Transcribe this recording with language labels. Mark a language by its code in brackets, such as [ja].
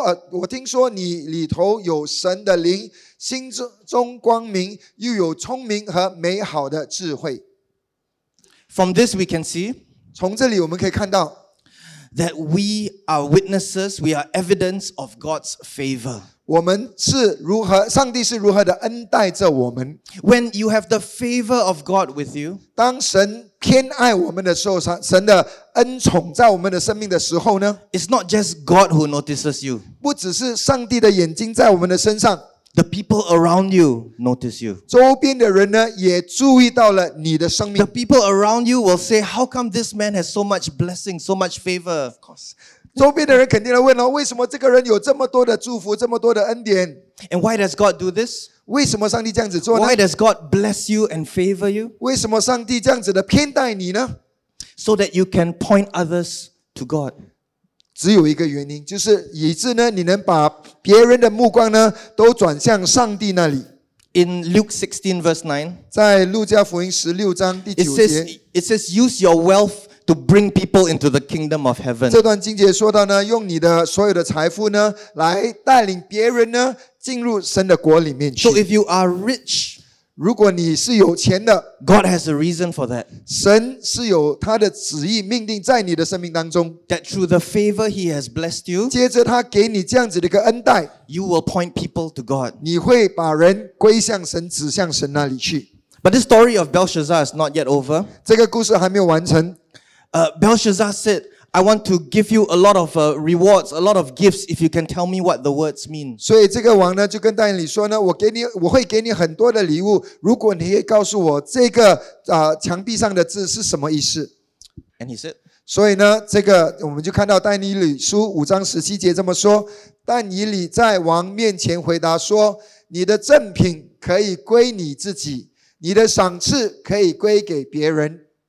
[zh] 我听说你里头有神的灵，心中光明，又有聪明和美好的智慧。 [en] From this we can see, [zh] 从这里我们可以看到 [en] that we are witnesses, we are evidence of God's favor. [zh] 我们是如何？上帝是如何的恩待着我们 [en] ？When you have the favor of God with you， [zh] 当神偏爱我们的时候，神的恩宠在我们的生命的时候呢 [en] ？It's not just God who notices you， [zh] 不只是上帝的眼睛在我们的身上 [en] ，The people around you notice you， [zh] 周边的人呢也注意到了你的生命。 [en] The people around you will say， "How come this man has so much blessing, so much favor?" Of course. [zh] 周边的人肯定来问哦，为什么这个人有这么多的祝福，这么多的恩典？ [en] And why does God do this? [zh] 为什么上帝这样子做呢？ [en] Why does God bless you and favor you? [zh] 为什么上帝这样子的偏待你呢？ [en] So that you can point others to God. [zh] 只有一个原因，就是以致呢，你能把别人的目光呢，都转向上帝那里。 [en] In Luke 16 verse 9, [zh] 在路加福音十六章第九节， [en] it says, use your wealth. To bring people into the kingdom of heaven. [zh] 这段经节说到呢，用你的所有的财富呢，来带领别人呢，进入神的国里面去。 [en] So if you are rich, [zh] 如果你是有钱的， [en] God has a reason for that. [zh] 神是有他的旨意命定在你的生命当中。 [en] That through the favor he has blessed you, [zh] 接着他给你这样子的一个恩待， [en] you will point people to God. [zh] 你会把人归向神，指向神那里去。 [en] But this story of Belshazzar is not yet over. [zh] 这个故事还没有完成。 [en] Belshazzar said, I want to give you a lot of rewards, a lot of gifts if you can tell me what the words mean. [zh] 所以这个王呢就跟但以理说呢，我会给你很多的礼物，如果你可以告诉我这个墙壁上的字是什么意思。 [en] And he said, [zh] 所以呢这个我们就看到但以理书五章十七节这么说，但以理在王面前回答说，你的赠品可以归你自己，你的赏赐可以归给别人。